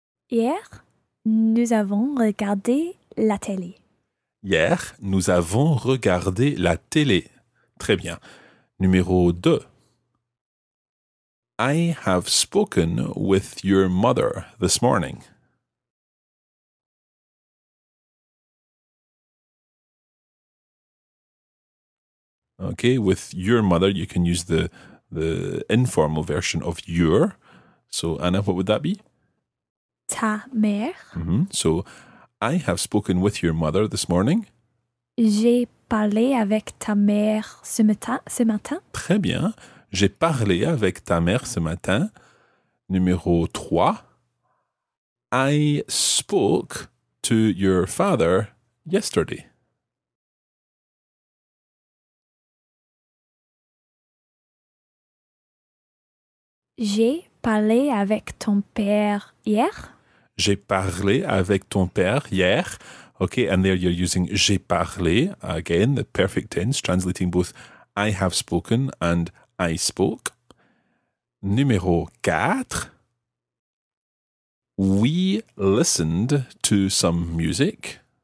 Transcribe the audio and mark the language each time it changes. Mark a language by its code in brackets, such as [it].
[fr] Hier, nous avons regardé la télé. Hier, nous avons regardé la télé. Très bien. Numéro 2. [en] I have spoken with your mother this morning. Okay, with your mother, you can use the informal version of your. So, Anna, what would that be? [fr] Ta mère. Mm-hmm. [en] So, I have spoken with your mother this morning. [fr] J'ai parlé avec ta mère ce matin. Très bien. J'ai parlé avec ta mère ce matin. Numéro 3. [en] I spoke to your father yesterday. [fr] J'ai parlé avec ton père hier. J'ai parlé avec ton père hier. [en] Okay, and there you're using j'ai parlé, again, the perfect tense, translating both I have spoken and I spoke. [fr] Numéro 4. [en] We listened to some music.